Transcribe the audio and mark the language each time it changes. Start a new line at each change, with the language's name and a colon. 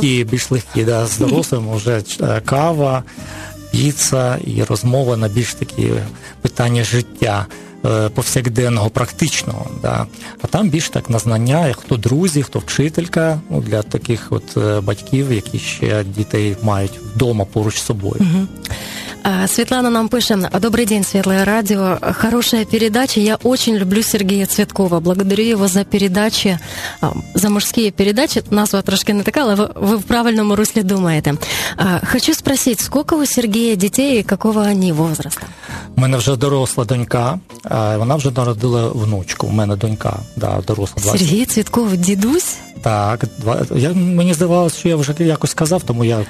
Ukrainian: Більш легкі, да, з дорослим вже кава, піца і розмова на більш такі питання життя повсякденного, практичного. Да. А там більш так на знання, хто друзі, хто вчителька, ну, для таких от батьків, які ще дітей мають вдома поруч з собою. Угу. Світлана нам пише: «Добрий день, Світле Радіо.
Russian: Хорошая передача. Я очень люблю Сергія Цвяткова. Благодарю его за передачи, за мужские передачи».
Ukrainian: Назва трошки не така, але ви в правильному руслі думаєте.
Russian: Хочу спросить, сколько у Сергія
Ukrainian: дітей
Russian: и какого они возраста?
Ukrainian: У мене вже доросла донька. Вона вже народила внучку. У мене донька, да, доросла. 20. Сергій Цвітков, дідусь? Так, мені здавалося, що я вже якось казав, тому я не